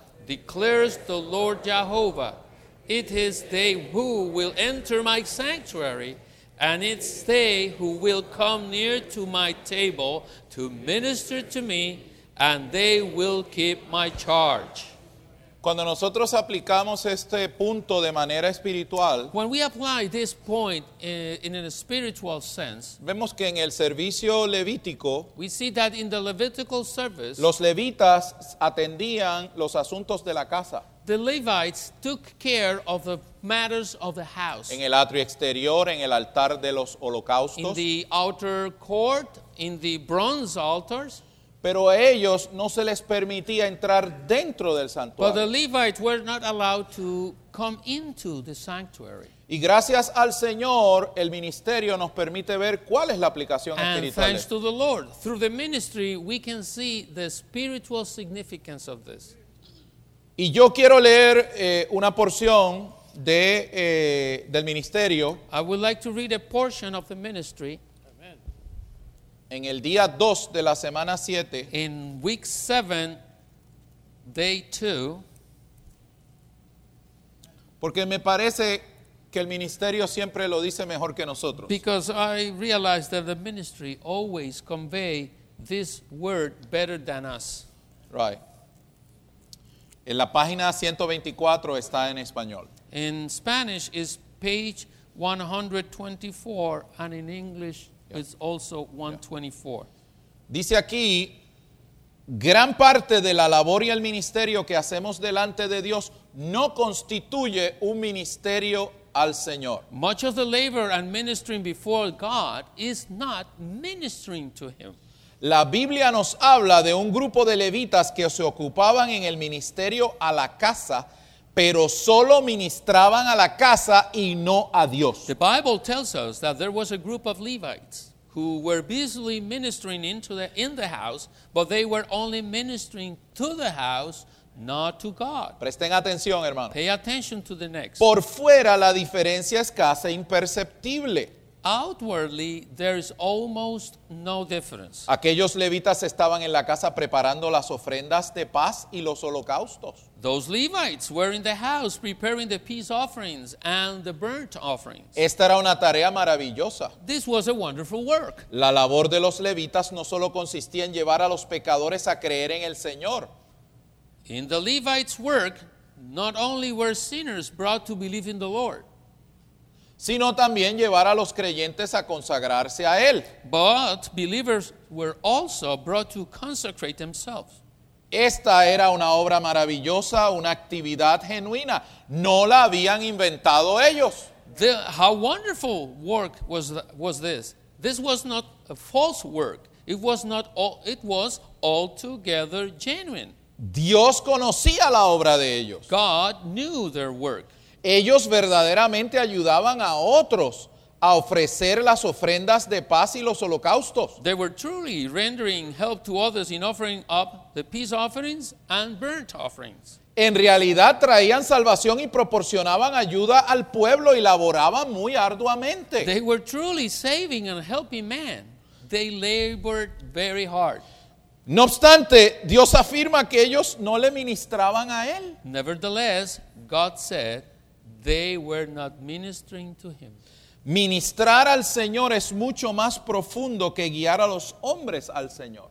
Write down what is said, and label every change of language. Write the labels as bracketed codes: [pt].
[en] declares the Lord Jehovah. It is they who will enter my sanctuary, and it's they who will come near to my table to minister to me, and they will keep my charge. [es] Cuando nosotros aplicamos este punto de manera espiritual, [en] when we apply this point in a spiritual sense, [es] vemos que en el servicio levítico, [en] we see that in the Levitical service, [es] los levitas atendían los asuntos de la casa. [en] The Levites took care of the matters of the house. [es] En el atrio exterior, en el altar de los holocaustos. [en] In the outer court, in the bronze altars. [es] Pero a ellos no se les permitía entrar dentro del santuario. [en] But the Levites were not allowed to come into the sanctuary. [es] Y gracias al Señor, el ministerio nos permite ver cuál es la aplicación [en] and [es] espiritual. [en] And thanks to the Lord, through the ministry, we can see the spiritual significance of this. [es] Y yo quiero leer una porción de del ministerio. [en] I would like to read a portion of the ministry. [es] En el día 2 de la semana 7. [en] In week 7, day 2. [es] Porque me parece que el ministerio siempre lo dice mejor que nosotros. [en] Because I realize that the ministry always convey this word better than us. Right. [es] En la página 124 está en español. [en] In Spanish is page 124 and in English it's also 124. [es] Dice aquí, gran parte de la labor y el ministerio que hacemos delante de Dios no constituye un ministerio al Señor. [en] Much of the labor and ministering before God is not ministering to Him. [es] La Biblia nos habla de un grupo de levitas que se ocupaban en el ministerio a la casa, pero solo ministraban a la casa y no a Dios. [en] The Bible tells us that there was a group of Levites who were busily ministering in the house, but they were only ministering to the house, not to God. [es] Presten atención, hermano. [en] Pay attention to the next. [es] Por fuera la diferencia es casi imperceptible. [en] Outwardly, there is almost no difference. [es] Aquellos levitas estaban en la casa preparando las ofrendas de paz y los holocaustos. [en] Those Levites were in the house preparing the peace offerings and the burnt offerings. [es] Esta era una tarea maravillosa. [en] This was a wonderful work. [es] La labor de los levitas no solo consistía en llevar a los pecadores a creer en el Señor. [en] In the Levites' work, not only were sinners brought to believe in the Lord, [es] sino también llevar a los creyentes a consagrarse a Él. [en] But believers were also brought to consecrate themselves. [es] Esta era una obra maravillosa, una actividad genuina. No la habían inventado ellos. [en] How wonderful work was this? This was not a false work. It was altogether genuine. [es] Dios conocía la obra de ellos. [en] God knew their work. [es] Ellos verdaderamente ayudaban a otros a ofrecer las ofrendas de paz y los holocaustos. [en] They were truly rendering help to others in offering up the peace offerings and burnt offerings. [es] En realidad traían salvación y proporcionaban ayuda al pueblo y laboraban muy arduamente. [en] They were truly saving and helping man. They labored very hard. [es] No obstante, Dios afirma que ellos no le ministraban a Él. [en] Nevertheless, God said, they were not ministering to him. [es] Ministrar al Señor es mucho más profundo que guiar a los hombres al Señor.